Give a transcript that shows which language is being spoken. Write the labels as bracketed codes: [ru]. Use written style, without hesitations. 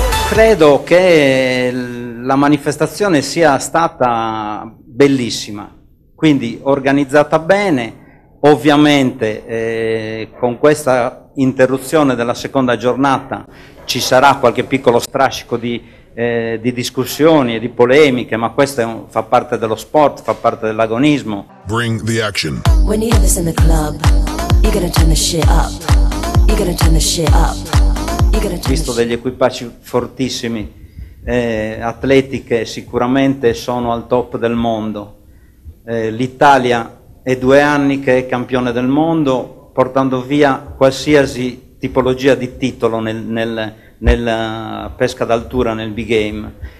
[it] Credo che la manifestazione sia stata bellissima, quindi organizzata bene, ovviamente con questa interruzione della seconda giornata ci sarà qualche piccolo strascico di discussioni e di polemiche, ma questo fa parte dello sport, fa parte dell'agonismo. [en] Bring the action. When you have this in the club, you're gonna turn the shit up, you're gonna turn the shit up. [it] Visto degli equipaggi fortissimi, atletiche sicuramente sono al top del mondo. L'Italia è 2 anni che è campione del mondo, portando via qualsiasi tipologia di titolo nella pesca d'altura, nel big game.